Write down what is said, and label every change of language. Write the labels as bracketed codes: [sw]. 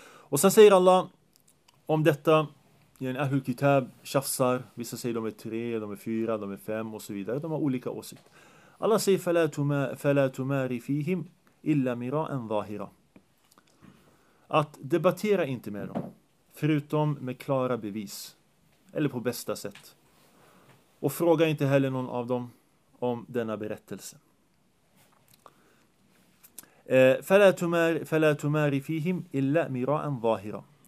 [sv] Och sen säger Allah om detta, yani Ahlul Kitab tjafsar, vissa säger de är tre, de är fyra, de är fem och så vidare. De har olika åsikter. Allah säger, [ar] فَلَا تُمَارِ فِيهِمْ إِلَّا مِرَاءً ظَاهِرًا. [sv] Att debattera inte med dem, förutom med klara bevis, eller på bästa sätt. Och fråga inte heller någon av dem om denna berättelse. [ar] فَلَا تُمَارِ فِيهِمْ إِلَّا مِرَاءً ظَاهِرًا.